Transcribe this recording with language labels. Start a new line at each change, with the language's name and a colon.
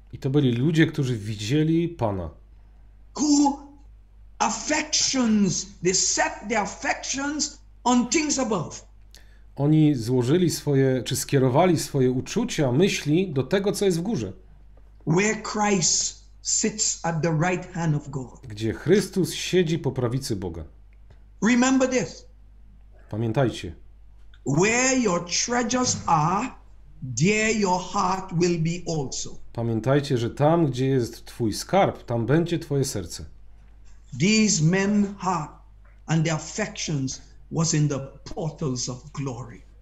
Polish: I to byli ludzie, którzy widzieli Pana.
English: Who affections, they set their affections on things above.
Polish: Oni złożyli swoje, czy skierowali swoje uczucia, myśli do tego, co jest w górze.
English: Where Christ sits at the right hand of God.
Polish: Gdzie Chrystus siedzi po prawicy Boga.
English: Remember this.
Polish: Pamiętajcie.
English: Where your treasures are, there your heart will be also.
Polish: Pamiętajcie, że tam, gdzie jest twój skarb, tam będzie twoje serce.
English: These men's heart and their affections was in the portals of glory.